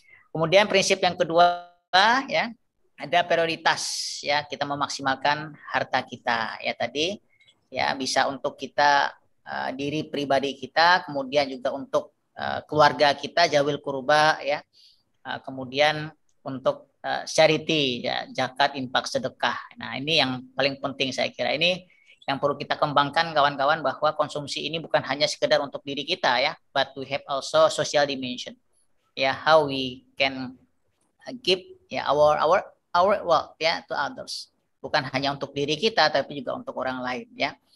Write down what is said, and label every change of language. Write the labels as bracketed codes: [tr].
[id] Kemudian prinsip yang kedua ya, ada prioritas ya, kita memaksimalkan harta kita ya tadi ya, bisa untuk kita diri pribadi kita, kemudian juga untuk keluarga kita jawil kurba ya, kemudian untuk charity ya, zakat, infak, sedekah. Nah, ini yang paling penting saya kira. Ini yang perlu kita kembangkan kawan-kawan, bahwa konsumsi ini bukan hanya sekedar untuk diri kita ya, [en] but we have also social dimension. Ya, how we can give ya our wealth ya to others. [id] Bukan hanya untuk diri kita tapi juga untuk orang lain ya.